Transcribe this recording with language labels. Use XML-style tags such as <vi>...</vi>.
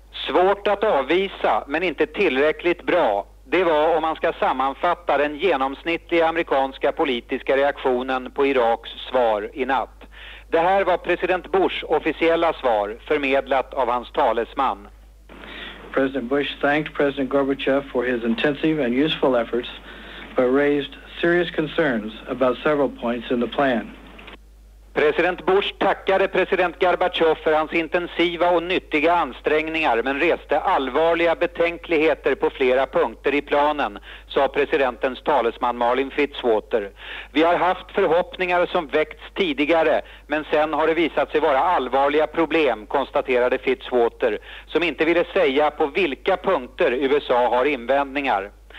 <sv>Svårt att avvisa, men inte tillräckligt bra. Det var, om man ska sammanfatta, den genomsnittliga amerikanska politiska reaktionen på Iraks svar i natt. Det här var president Bushs officiella svar, förmedlat av hans talesman.</sv> <en>President Bush thanked President Gorbachev for his intensive and useful efforts, but raised serious concerns about several points in the plan.</en> <sv>President Bush tackade president Gorbachev för hans intensiva och nyttiga ansträngningar, men reste allvarliga betänkligheter på flera punkter i planen, sa presidentens talesman Marlin Fitzwater. Vi har haft förhoppningar som väckts tidigare, men sen har det visat sig vara allvarliga problem, konstaterade Fitzwater, som inte ville säga på vilka punkter USA har invändningar.</sv>